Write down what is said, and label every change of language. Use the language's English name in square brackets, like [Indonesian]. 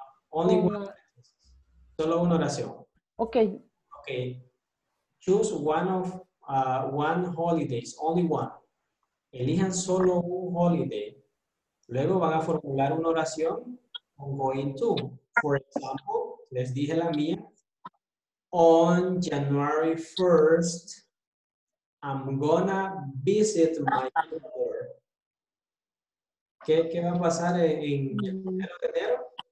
[Spanish] Solo una oración. [English] Okay. Okay. Choose one of one holidays, only one. [Spanish] Elijan solo un holiday. Luego van a formular una oración con going to. [English] For example, [Spanish] les dije la mía. [English] On January 1st, I'm gonna visit my mother. [Spanish] ¿Qué va a pasar en enero de enero?